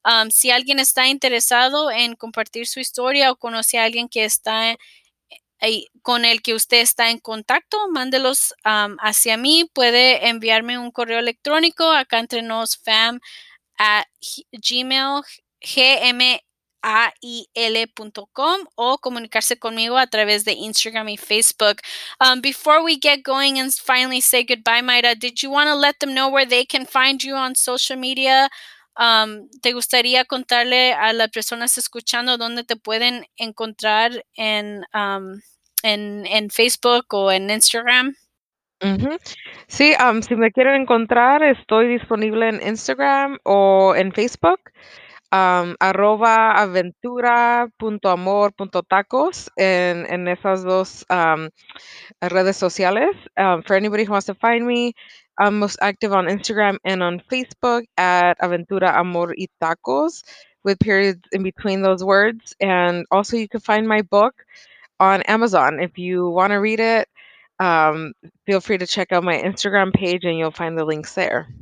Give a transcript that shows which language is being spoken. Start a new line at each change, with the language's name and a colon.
Spanish: Si alguien está interesado en compartir su historia o conoce a alguien que está con el que usted está en contacto, mándelos hacia mí. Puede enviarme un correo electrónico acá entre nos fam@gmail.com o comunicarse conmigo a través de Instagram y Facebook.
English: Before we get going and finally say goodbye, Mayra, did you want to let them know where they can find you on social media?
Spanish: ¿Te gustaría contarle a las personas escuchando dónde te pueden encontrar en Facebook o en Instagram? Sí, si me quieren encontrar, estoy disponible en Instagram o en Facebook, @aventura.amor.tacos en esas dos redes sociales.
English: For anybody who wants to find me, I'm most active on Instagram and on Facebook @aventuraamoritacos with periods in between those words. And also you can find my book on Amazon. If you want to read it, feel free to check out my Instagram page and you'll find the links there.